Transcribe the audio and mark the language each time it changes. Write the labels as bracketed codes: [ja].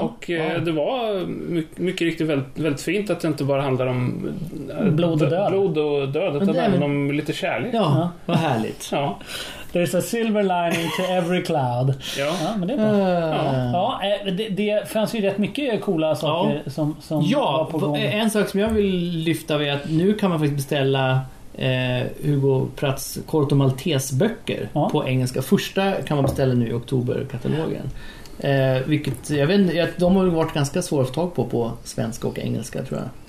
[sv] Och det var mycket riktigt väldigt, väldigt fint att det inte bara handlar om blod och död utan även om lite kärlek. Ja, vad härligt. Ja. [en] There's a silver lining to every cloud. [sv] Ja, ja, men det är bra. Ja, det fanns ju rätt mycket coola saker som var på gång. En sak som jag vill lyfta är att nu kan man faktiskt beställa Hugo Pratts Corto Maltese böcker på engelska. Första kan man beställa nu i oktoberkatalogen. Vilket jag vet inte, de har ju varit ganska svåra att få tag på svenska och engelska, tror jag.